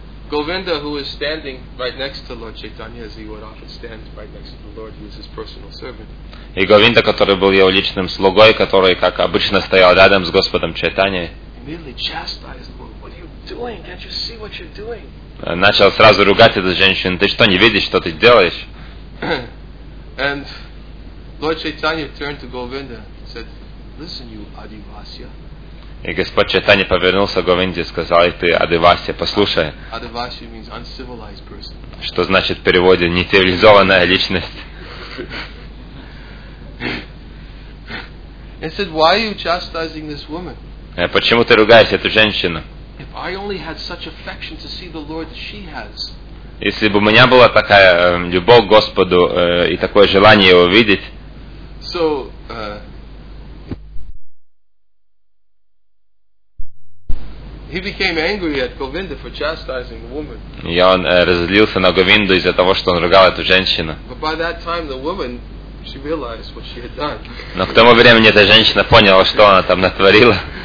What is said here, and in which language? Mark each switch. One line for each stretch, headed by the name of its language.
English: Govinda, who is standing right next to Lord Chaitanya, as he would often stand right next to the Lord, he was his personal servant.
Russian: И Говинда, который был его личным слугой, который как обычно стоял рядом с Господом Чайтаньей.
English: Immediately chastised the woman. What are you doing? Can't you see what you're doing?
Russian: Начал сразу ругать эту женщину. Ты что, не видишь, что ты делаешь?
English: And Lord Chaitanya turned to Govinda and said, "Listen, you Adivasya."
Russian: И Господь Чайтанья повернулся к Говинде и сказал, «Ты, Адивасия, послушай».
English: Адивасия means uncivilized person.
Russian: Что значит в переводе «нецивилизованная личность».
English: He said, "Why are you chastising this woman?"
Russian: Почему ты ругаешь эту женщину?
English: If I only had such affection to see the Lord that she has.
Russian: Если бы у меня была такая любовь к Господу и такое желание его видеть.
English: So, he became angry at Govinda for chastising the woman.
Russian: Я он разозлился на Говинду из-за того, что он ругал эту женщину.
English: But by that time, the woman, she realized what she had done.
Russian: Но к тому времени эта женщина поняла, что она там натворила.